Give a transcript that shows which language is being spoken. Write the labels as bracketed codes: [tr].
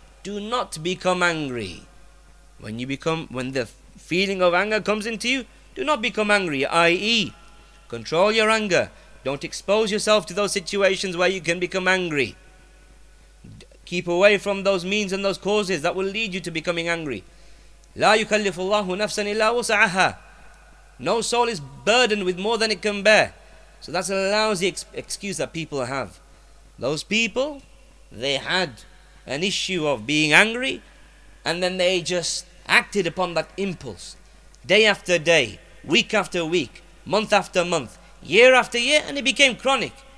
[en] Do not become angry. When the feeling of anger comes into you, do not become angry, i.e. control your anger. Don't expose yourself to those situations where you can become angry. Keep away from those means and those causes that will lead you to becoming angry. [ar] لا يكلف الله نفسا إلا وسعها. [en] No soul is burdened with more than it can bear. So that's a lousy excuse that people have. Those people, they had an issue of being angry, and then they just acted upon that impulse, day after day, week after week, month after month, year after year, and it became chronic.